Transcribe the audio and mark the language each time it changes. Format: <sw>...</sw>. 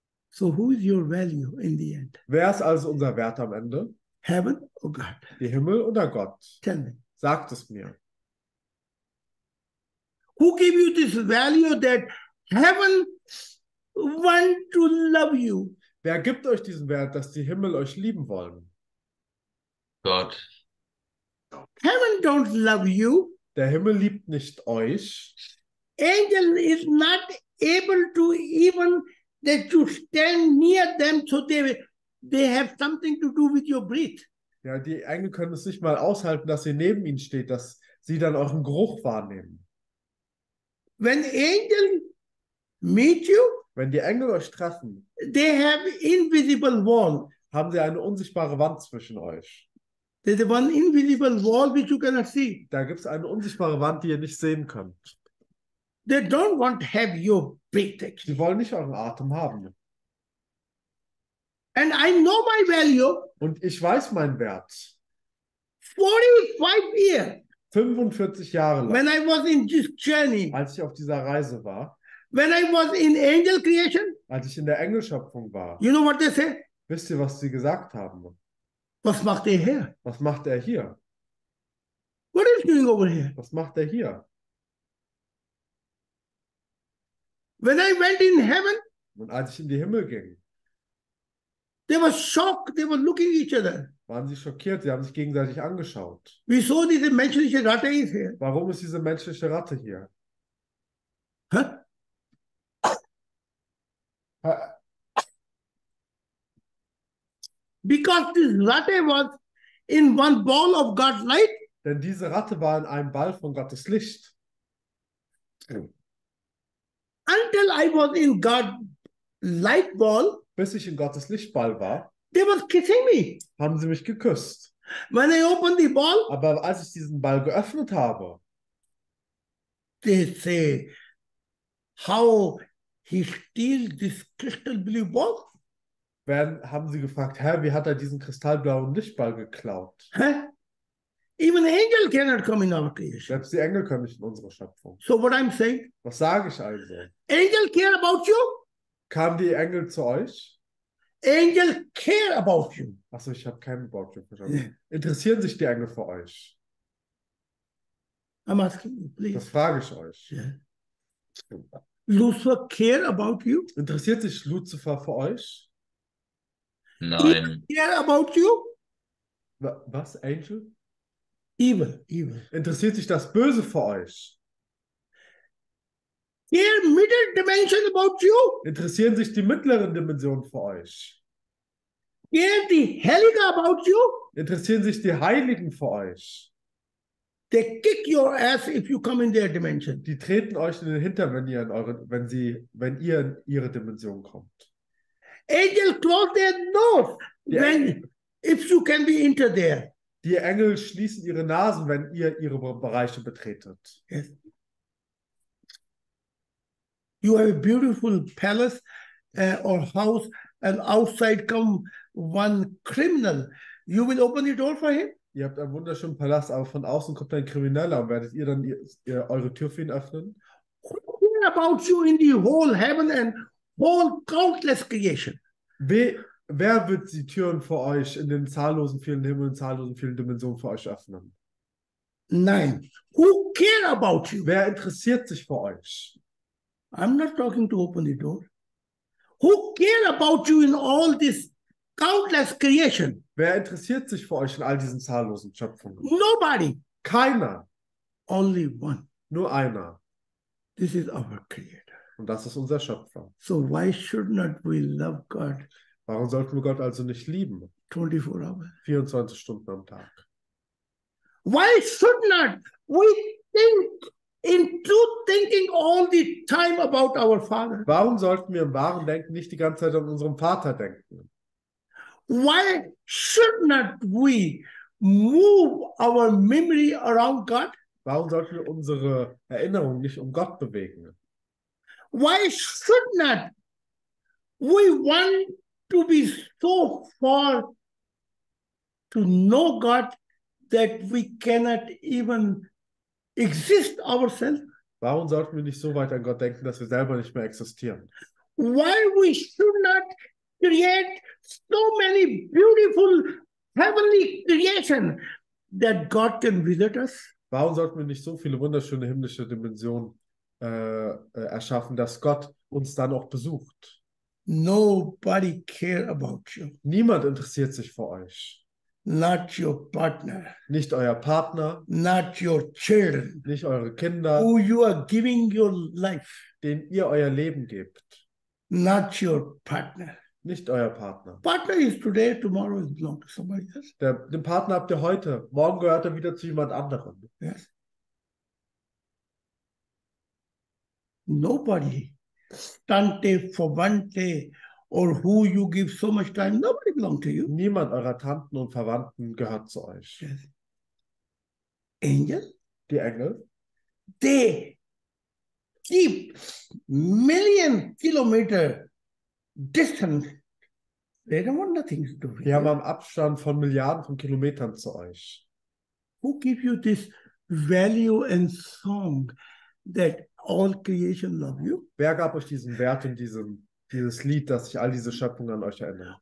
<en>So who is your value in the end?</en> <de>Wer ist also unser Wert am Ende?</de> <en>Heaven or God?</en> <de>Der Himmel oder Gott?</de> <en>Tell me.</en> <de>Sagt es mir.</de> <en>Who gave you this value that heaven want to love you?</en> <de>Wer gibt euch diesen Wert, dass die Himmel euch lieben wollen? Gott.</de> <en>Heaven don't love you.</en> <de>Der Himmel liebt nicht euch.</de> <en>Angel is not able to even that you stand near them, so they have something to do with your breath.</en> <de>Ja, die Engel können es nicht mal aushalten, dass ihr neben ihnen steht, dass sie dann euren Geruch wahrnehmen.</de> <en>When angels meet you,</en> <de>wenn die Engel euch treffen,</de> <en>they have invisible wall.</en> <de>Haben sie eine unsichtbare Wand zwischen euch.</de> <en>There's one invisible wall which you cannot see.</en> <de>Da gibt es eine unsichtbare Wand, die ihr nicht sehen könnt.</de> <en>They don't want to have your breath.</en> <de>Sie wollen nicht euren Atem haben.</de> <en>And I know my value.</en> <de>Und ich weiß meinen Wert.</de> <en>45 years.</en> <de>45 Jahre lang.</de> <en>When I was in this journey.</en> <de>Als ich auf dieser Reise war.</de> <en>When I was in angel creation.</en> <de>Als ich in der Engelschöpfung war.</de> <en>You know what they say?</en> <de>Wisst ihr, was sie gesagt haben? Was macht er hier? Was macht er hier?</de> <en>What is doing over here?</en> <de>Was macht er hier?</de> <en>When I went in heaven,</en> <de>und als ich in die Himmel ging,</de> <en>they were shocked, they were looking at each other.</en> <de>Waren sie schockiert, sie haben sich gegenseitig angeschaut. Wieso diese menschliche Ratte ist hier? Warum ist diese menschliche Ratte hier? Huh?</de> <en>Because this ratte was in one ball of God's light.</en> <de>Denn diese Ratte war in einem Ball von Gottes Licht.</de> <en>Until I was in God light ball,</en> <de>bis ich in Gottes Lichtball war,</de> <en>they were kissing me.</en> <de>Haben sie mich geküsst.</de> <en>When I opened the ball,</en> <de>aber als ich diesen Ball geöffnet habe,</de> <en>they say, how he steal this crystal blue ball?</en> <de>Dann haben sie gefragt, Herr, wie hat er diesen kristallblauen Lichtball geklaut?</de> <en>Even angel cannot come in our creation.</en> <de>Selbst die Engel können nicht in unsere Schöpfung.</de> <en>So what I'm saying?</en> <de>Was sage ich also?</de> <en>Angel care about you?</en> <de>Kamen die Engel zu euch?</de> <en>Angel care about you.</en> <de>Achso, ich habe keinen</de> <en>about you</en> <de>verstanden. Interessieren sich die Engel für euch?</de> <en>I'm asking you, please.</en> <de>Das frage ich euch.</de> <en>Yeah. Lucifer care about you?</en> <de>Interessiert sich Lucifer für euch? Nein.</de> <en>Even care about you?</en> <de>Was, Angel?</de> <en>Evil, evil.</en> <de>Interessiert sich das Böse für euch?</de> <en>Care middle dimension about you?</en> <de>Interessieren sich die mittleren Dimensionen für euch?</de> <en>Care the heilige about you?</en> <de>Interessieren sich die Heiligen für euch?</de> <en>They kick your ass if you come in their dimension.</en> <de>Die treten euch in den Hintern, wenn ihr in ihre Dimension kommt.</de> <en>Angel close their nose when if you can be into there.</en> <de>Die Engel schließen ihre Nasen, wenn ihr ihre Bereiche betretet.</de> <en>Yes. You have a beautiful palace or house and outside come one criminal. You will open the door for him?</en> <de>Ihr habt einen wunderschönen Palast, aber von außen kommt ein Krimineller und werdet ihr dann eure Tür für ihn öffnen?</de> <en>Who cares about you in the whole heaven and whole countless creation?</en> <de>Wer wird die Türen für euch in den zahllosen vielen Himmeln, zahllosen vielen Dimensionen für euch öffnen? Nein.</de> <en>Who cares about you?</en> <de>Wer interessiert sich für euch?</de> <en>I'm not talking to open the door. Who cares about you in all this countless creation?</en> <de>Wer interessiert sich für euch in all diesen zahllosen Schöpfungen?</de> <en>Nobody.</en> <de>Keiner.</de> <en>Only one.</en> <de>Nur einer.</de> <en>This is our creator.</en> <de>Und das ist unser Schöpfer.</de> <en>So why should not we love God?</en> <de>Warum sollten wir Gott also nicht lieben?</de> <en>24 hours.</en> <de>24 Stunden am Tag.</de> <en>Why should not we think in two thinking all the time about our father?</en> <de>Warum sollten wir im wahren Denken nicht die ganze Zeit an unseren Vater denken?</de> <en>Why should not we move our memory around God?</en> <de>Warum sollten wir unsere Erinnerung nicht um Gott bewegen?</de> <en>Why should not we want to be so far to know God that we cannot even exist ourselves?</en> <de>Warum sollten wir nicht so weit an Gott denken, dass wir selber nicht mehr existieren?</de> <en>Why we should not create so many beautiful heavenly creations that God can visit us?</en> <de>Warum sollten wir nicht so viele wunderschöne himmlische Dimensionen erschaffen, dass Gott uns dann auch besucht?</de> <en>Nobody cares about you.</en> <de>Niemand interessiert sich für euch.</de> <en>Not your partner.</en> <de>Nicht euer Partner.</de> <en>Not your children.</en> <de>Nicht eure Kinder.</de> <en>Who you are giving your life.</en> <de>Den ihr euer Leben gebt.</de> <en>Not your partner.</en> <de>Nicht euer Partner.</de> <en>Partner is today, tomorrow is belong to somebody else.</en> <de>Den Partner habt ihr heute. Morgen gehört er wieder zu jemand anderem.</de> <en>Yes. Nobody.</en> <de>Tante, Verwandte,</de> <en>or who you give so much time, nobody belongs to you.</en> <de>Niemand eurer Tanten und Verwandten gehört zu euch.</de> <en>Yes. Angel?</en> <de>Die Engel?</de> <en>They keep million kilometer distance. They don't want nothing to do with you.</en> <de>Die haben einen Abstand von Milliarden von Kilometern zu euch.</de> <en>Who give you this value and song that all creation love you?</en> <de>Wer gab euch diesen Wert und dieses Lied, dass sich all diese Schöpfungen an euch erinnern?</de>